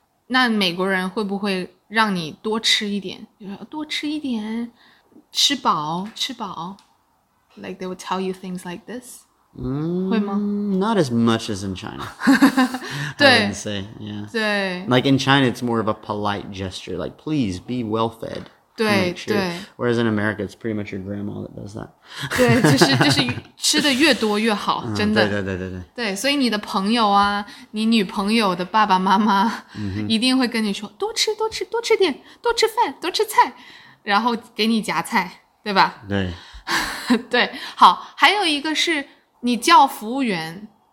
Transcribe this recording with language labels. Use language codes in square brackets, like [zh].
[zh] 那美国人会不会让你多吃一点？多吃一点，吃饱，吃饱。 [en] Like they would tell you things like this. [zh] 会吗 [en] ？Not as much as in China. [zh] 对 [en] I wouldn't say, yeah. [zh] 对 [en] Like in China, it's more of a polite gesture. Like, please be well fed. [zh] 对、 [en] sure. [zh] 对 [en] Whereas in America, it's pretty much your grandma that does that. [zh] 对，就是吃的越多越好，真的。对，所以你的朋友啊，你女朋友的爸爸妈妈、mm-hmm. 一定会跟你说，多吃多吃多吃点，多吃饭多吃菜，然后给你夹菜，对吧？对。对，好，还有一个是。你叫服务员，